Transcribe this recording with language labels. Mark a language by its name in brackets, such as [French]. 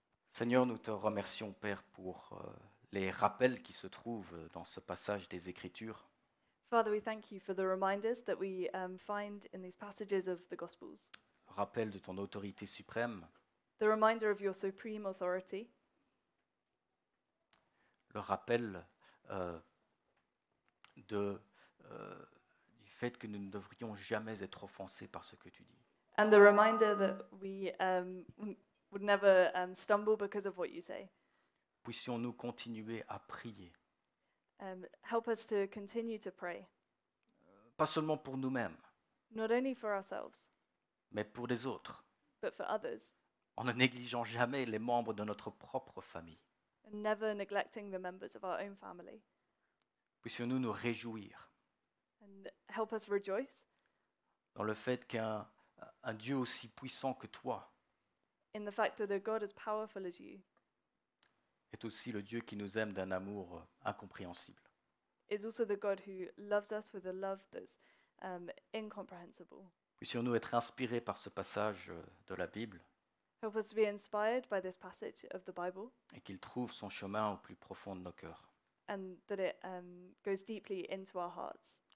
[French] Seigneur, nous te remercions, Père, pour les rappels qui se trouvent dans ce passage des Écritures. [English] Father, we thank you for the reminders that we find in these passages of the Gospels. [French] Rappel de ton autorité suprême. [English] The reminder of your supreme authority. [French] Le rappel du fait que nous ne devrions jamais être offensés par ce que tu dis. [English] And the reminder that we would never stumble because of what you say. [French] Puissions-nous continuer à prier. [English] Help us to continue to pray. [French] Pas seulement pour nous-mêmes. [English] Not only for ourselves. [French] Mais pour les autres. [English] But for others. [French] En ne négligeant jamais les membres de notre propre famille. [English] And never neglecting the members of our own family. [French] Puissions-nous nous réjouir. [English] And help us rejoice. [French] Dans le fait qu'un Dieu aussi puissant que toi. [English] In the fact that a God as powerful as you. [French] Est aussi le Dieu qui nous aime d'un amour incompréhensible. [English] Is also the God who loves us with a love that's incomprehensible. [French] Puissions-nous être inspirés par ce passage de la Bible. [English] Help us be inspired by this passage of the Bible. [French] Et qu'il trouve son chemin au plus profond de nos cœurs. [English] And that it goes deeply into our hearts.